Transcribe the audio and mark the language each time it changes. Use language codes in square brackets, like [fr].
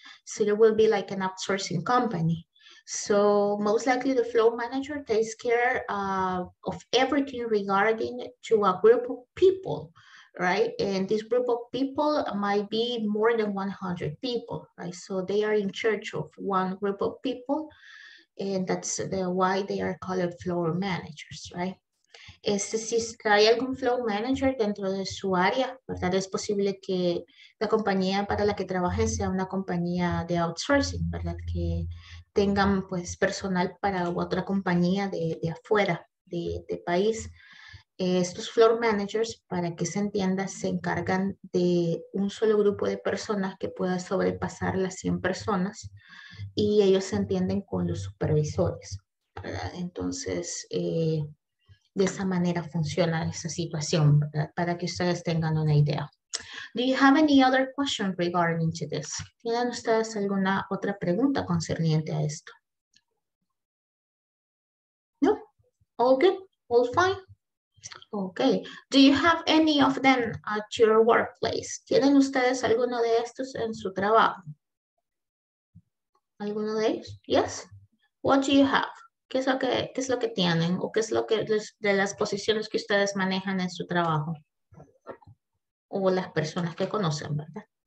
[en] So there will be like an outsourcing company. So most likely the floor manager takes care of everything regarding to a group of people, right? And this group of people might be more than 100 people, right? So they are in charge of one group of people, and that's why they are called floor managers, right? [es] Este, si hay algún flow manager dentro de su área, ¿verdad? Es posible que la compañía para la que trabajen sea una compañía de outsourcing, ¿verdad? Que tengan pues, personal para otra compañía de afuera, de país. Estos flow managers, para que se entienda, se encargan de un solo grupo de personas que pueda sobrepasar las 100 personas y ellos se entienden con los supervisores, ¿verdad? Entonces, de esa manera funciona esa situación, ¿verdad? Para que ustedes tengan una idea. [en] Do you have any other question regarding to this? [es] ¿Tienen ustedes alguna otra pregunta concerniente a esto? [en] No? All good? All fine? Okay. Do you have any of them at your workplace? [es] ¿Tienen ustedes alguno de estos en su trabajo? ¿Alguno de ellos? [en] Yes? What do you have? [es] ¿Qué es lo que tienen o qué es lo que de las posiciones que ustedes manejan en su trabajo o las personas que conocen, ¿verdad?